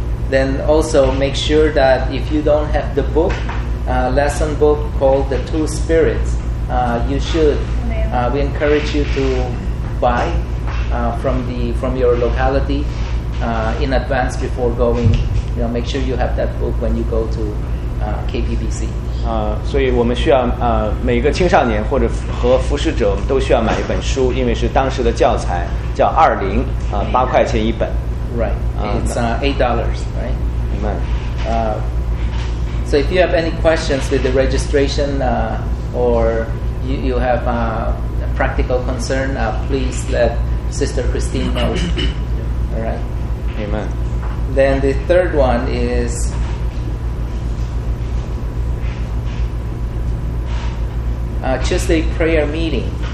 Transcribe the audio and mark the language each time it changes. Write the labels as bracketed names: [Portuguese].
[English] Then also make sure that if you don't have the book, lesson book called The Two Spirits, you should. We encourage you to buy from your locality in advance before going. You know, make sure you have that book when you go to KPBC. [Chinese] 所以我们需要每个青少年或者和服侍者都需要买一本书，因为是当时的教材，叫20，8块钱一本。 [English] Right, it's $8, right? [Chinese] 明白。 [English] So if you have any questions with the registration or you have a practical concern, please let Sister Christine know. All right? Amen. Then the third one is Tuesday prayer meeting.